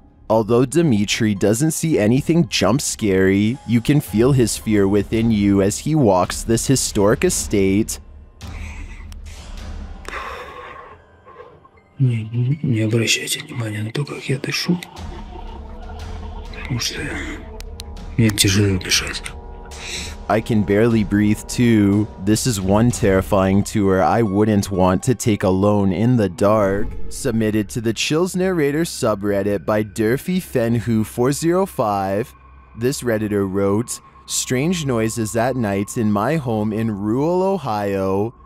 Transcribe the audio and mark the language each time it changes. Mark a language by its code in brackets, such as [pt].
[en] Although Dimitri doesn't see anything jump scary, you can feel his fear within you as he walks this historic estate. [ru] Не обращайте внимания на то, как я дышу, потому что мне тяжело дышать. [en] I can barely breathe too. This is one terrifying tour I wouldn't want to take alone in the dark. Submitted to the Chills Narrator subreddit by DurfyFenhu405, this Redditor wrote, "Strange noises at night in my home in rural Ohio."